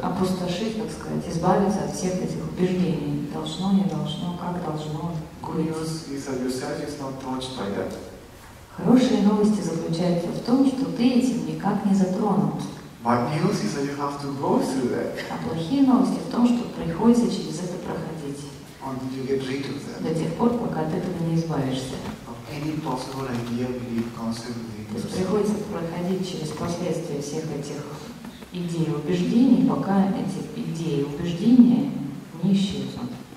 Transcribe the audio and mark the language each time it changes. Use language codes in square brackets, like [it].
[ru] опустошить, так сказать, избавиться от всех этих убеждений. Должно, не должно, как должно. [en] Good news is that your self is not touched by that. [ru] Хорошие новости заключаются в том, что ты этим никак не затронут. [en] Bad news is that you have to go through that. [ru] А плохие новости в том, что приходится через это проходить. [en] Or did you get rid of that? [ru] До тех пор, пока от этого не избавишься. [en] Of any possible idea, belief, concept, belief. [ru] То есть приходится проходить через последствия всех этих идей и убеждений, пока эти идеи и убеждения не исчезнут.